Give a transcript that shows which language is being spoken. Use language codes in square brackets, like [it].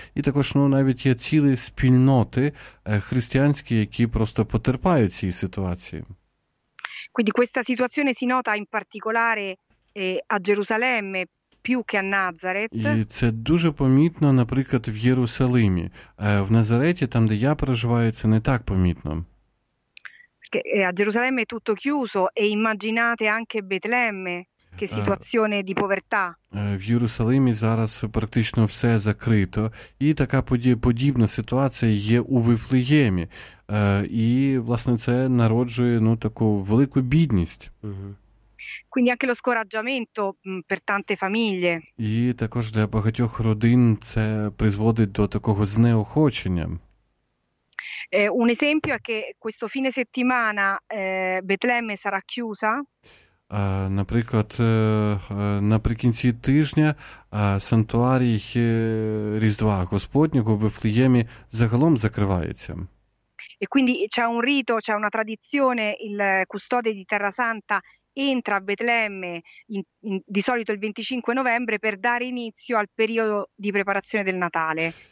[uk] І також навіть є цілі спільноти християнські, які просто потерпають цій ситуації. [it] Quindi questa situazione si nota in particolare a Gerusalemme, più che a Nazareth. [uk] І це дуже помітно, наприклад, в Єрусалимі. В Назареті, там, де я проживаю, це не так помітно. [it] Perché a Gerusalemme è tutto chiuso e immaginate anche Betlemme, che situazione di povertà. [uk] В Єрусалимі зараз практично все закрито, і така подібна ситуація є у Вифлеємі. І, власне, це народжує, ну, таку велику бідність. [it] Quindi anche lo scoraggiamento per tante famiglie. [uk] І також для багатьох родин це призводить до такого знеохочення. [it] Un esempio è che questo fine settimana Betlemme sarà chiusa. [uk] Наприклад, наприкінці тижня сантуарій Різдва Господнього в Вифлеємі загалом закривається. [it] E quindi c'è un rito, c'è una tradizione, il custode di Terra Santa entra a Betlemme di solito il 25 novembre per dare inizio al periodo di preparazione del Natale.